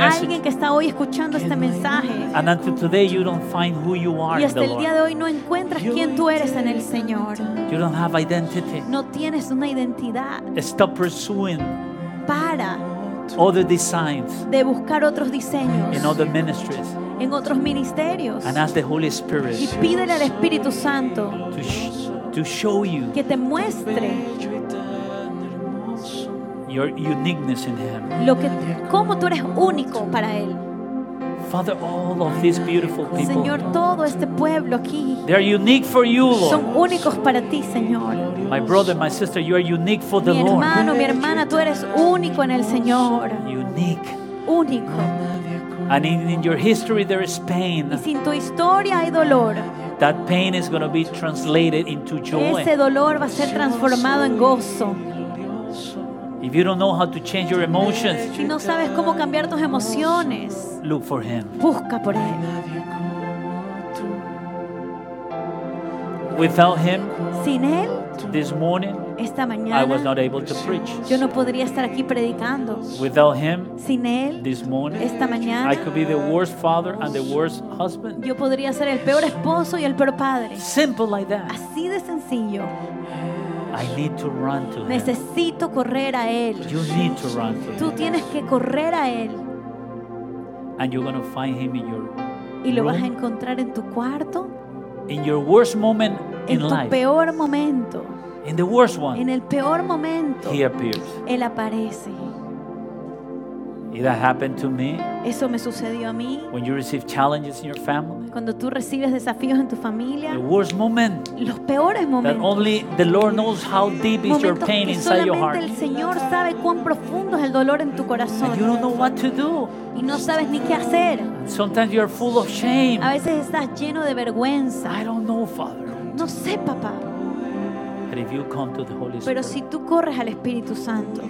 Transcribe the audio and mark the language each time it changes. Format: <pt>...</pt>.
<es>Hay alguien que está hoy escuchando este mensaje.</es> <en>And until today you don't find who you are in the Lord.</en> <es>Y hasta el día de hoy no encuentras quién tú eres en el Señor.</es> <en>You don't have identity.</en> <es>No tienes una identidad.</es> <en>Stop pursuing.</en> <es>Para.</es> <en>Other designs.</en> <es>De buscar otros diseños.</es> <en>In other ministries.</en> <es>En otros ministerios.</es> <en>And ask the Holy Spirit.</en> <es>Y pídele al Espíritu Santo.</es> <en>To show you.</en> <es>Que te muestre.</es> <en>Your uniqueness in Him.</en> <es>Cómo tú eres único para Él.</es> <en>Father, all of these beautiful people.</en> <es>Señor, todo este pueblo aquí.</es> <en>They are unique for you, Lord.</en> <es>Son únicos para ti, Señor.</es> <en>My brother, my sister, you are unique for the Lord.</en> <es>Mi hermano, mi hermana, tú eres único en el Señor.</es> <en>Unique.</en> <es>Único.</es> <en>And in your history there is pain.</en> <es>Y sin tu historia hay dolor.</es> <en>That pain is going to be translated into joy.</en> <es>Ese dolor va a ser transformado en gozo.</es> <en>If you don't know how to change your emotions,</en> <es>si no sabes cómo cambiar tus emociones,</es> <en>look for Him.</en> <es>Busca por Él.</es> <en>Without Him,</en> <es>sin Él,</es> <en>this morning,</en> <es>esta mañana,</es> <en>I was not able to preach.</en> <es>Yo no podría estar aquí predicando.</es> <en>Without Him,</en> <es>sin Él,</es> <en>this morning,</en> <es>esta mañana,</es> <en>I could be the worst father and the worst husband.</en> <es>Yo podría ser el peor esposo y el peor padre.</es> <en>Simple like that.</en> <es>Así de sencillo.</es> <en>I need to run to Him.</en> <es>Necesito correr a Él.</es> <en>You need to run to Him.</en> <es>Tú tienes que correr a Él.</es> <en>And you're going to find Him in your room.</en> <es>Y lo vas a encontrar en tu cuarto.</es> <en>In your worst moment in life.</en> <es>En tu peor momento.</es> <en>In the worst one.</en> <es>En el peor momento.</es> <en>He appears.</en> <es>Él aparece.</es> <en>If that happened to me,</en> <es>eso me sucedió a mí.</es> <en>When you receive challenges in your family,</en> <es>cuando tú recibes desafíos en tu familia,</es> <en>the worst moment,</en> <es>los peores momentos,</es> <en>that only the Lord knows how deep is your pain inside your heart.</en> <es>El Señor sabe cuán profundo es el dolor en tu corazón.</es> <en>And you don't know what to do.</en> <es>Y no sabes ni qué hacer.</es> <en>Sometimes you are full of shame.</en> <es>A veces estás lleno de vergüenza.</es> <en>I don't know, Father.</en> <es>No sé, papá.</es> <en>But if you come to the Holy Spirit,</en> <es>pero si tú corres al Espíritu Santo,</es>